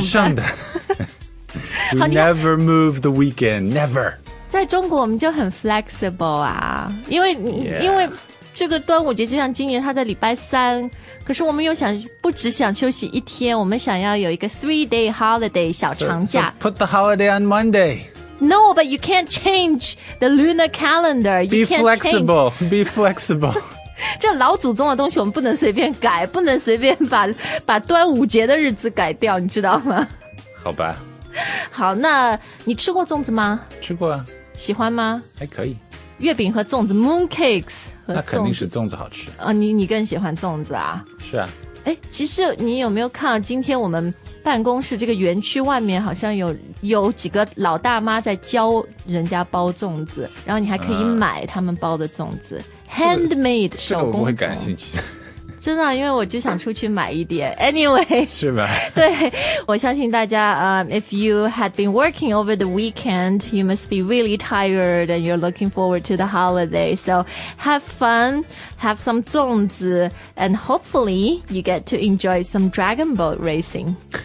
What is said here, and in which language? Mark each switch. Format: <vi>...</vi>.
<zh>周末是神圣的。</zh> <en>We never move the weekend, never.</en> <zh>在中国我们就很 flexible 啊。因为、</zh> <en>yeah.</en> <zh>因为这个端午节就像今年他在礼拜三，可是我们又想不只想休息一天，我们想要有一个 3-day holiday 小长假。</zh> <en>so put the holiday on Monday. No, but you can't change the lunar calendar. Be flexible. Be flexible.</en> <zh>这老祖宗的东西我们不能随便改，不能随便 把端午节的日子改掉，你知道吗？好吧。好，那你吃过粽子吗？吃过啊。喜欢吗？还可以。月饼和粽子 ，mooncakes 和粽子，那肯定是粽子好吃。你更喜欢粽子啊？是啊。哎，其实你有没有看到今天我们办公室这个园区外面好像有几个老大妈在教人家包粽子，然后你还可以买他们包的粽子、，handmade 手工粽。这个我不会感兴趣。真的，因为我就想出去买一点。</zh> <en>Anyway,</en> <zh>是吧？对，我相信大家</zh> <en>if you had been working over the weekend, you must be really tired and you're looking forward to the holiday. So have fun, have some 粽子, and hopefully you get to enjoy some dragon boat racing.</en>